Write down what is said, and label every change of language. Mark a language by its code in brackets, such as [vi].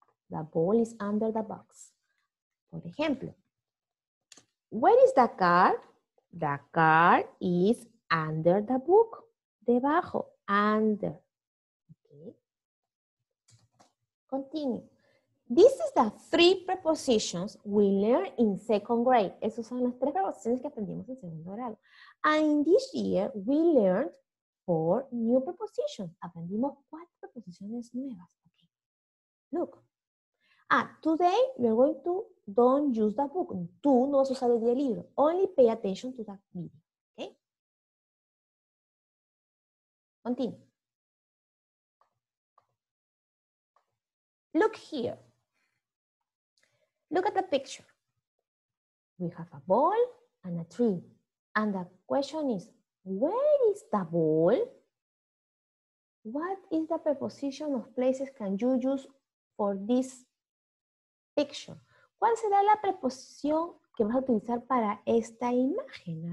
[en] The ball is under the box. [es] Por ejemplo, [en] where is the car? The car is under the book. Debajo. Under. Okay. Continue. This is the three prepositions we learned in second grade. [es] Esas son las tres preposiciones que aprendimos en segundo grado. [en] And in this year, we learned four new prepositions. [es] Aprendimos cuatro preposiciones nuevas. [en] Okay. Look. Today, we are going to don't use the book. [es] Tú no vas a usar el libro. [en] Only pay attention to the video. Okay? Continue. Look here. Look at the picture. We have a ball and a tree. And the question is, where is the ball? What is the preposition of places can you use for this picture? [es] ¿Cuál será la preposición que vas a utilizar para esta imagen?